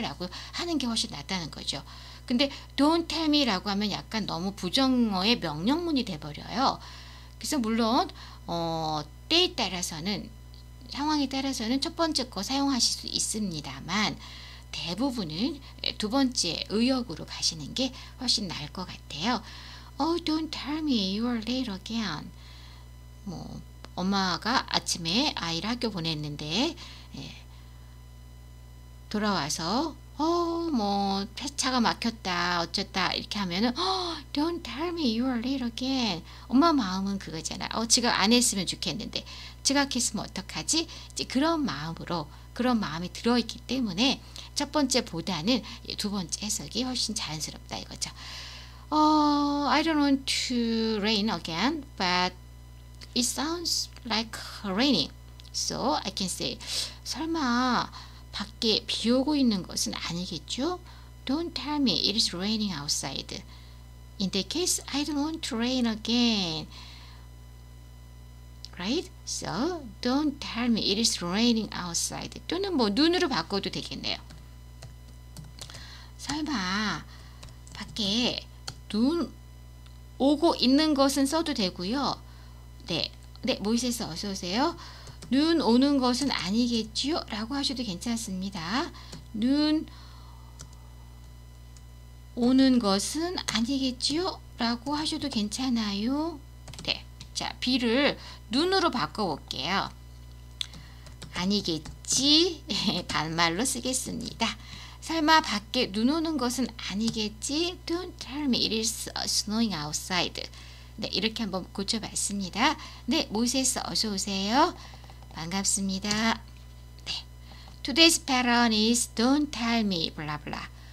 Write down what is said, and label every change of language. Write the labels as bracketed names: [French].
[Korean] 라고 하는 게 훨씬 낫다는 거죠. 근데 [English] don't tell me [Korean] 라고 하면 약간 너무 부정어의 명령문이 돼버려요. 그래서 물론 때에 따라서는 상황에 따라서는 첫 번째 거 사용하실 수 있습니다만 대부분은 두 번째 의역으로 가시는 게 훨씬 나을 것 같아요. [English] Oh, don't tell me you are late again. [Korean] 뭐 엄마가 아침에 아이를 학교 보냈는데 돌아와서 뭐 차가 막혔다 어쨌다 이렇게 하면은 [English] don't tell me you are late again. [Korean] 엄마 마음은 그거잖아. 지각 안 했으면 좋겠는데 지각했으면 어떡하지? 이제 그런 마음으로 그런 마음이 들어있기 때문에 첫 번째 보다는 두 번째 해석이 훨씬 자연스럽다 이거죠. [English] I don't want to rain again, but it sounds like raining. So I can say, [Korean] 설마 밖에 비 오고 있는 것은 아니겠죠? [English] Don't tell me it is raining outside. In that case, I don't want to rain again. Right? So don't tell me it is raining outside. [Korean] 또는 뭐 눈으로 바꿔도 되겠네요. 설마 밖에 눈 오고 있는 것은 써도 되고요. 네, 모이세스 어서 오세요. 눈 오는 것은 아니겠지요? 라고 하셔도 괜찮습니다. 눈 오는 것은 아니겠지요? 라고 하셔도 괜찮아요. 네, 자, 비를 눈으로 바꿔볼게요. 아니겠지? 네, 반말로 쓰겠습니다. 설마 밖에 눈 오는 것은 아니겠지? [English] Don't tell me it is snowing outside. [Korean] 네, 이렇게 한번 고쳐봤습니다. 네, 모세스 어서 오세요. 반갑습니다. [English] Today's pattern is don't tell me blah blah.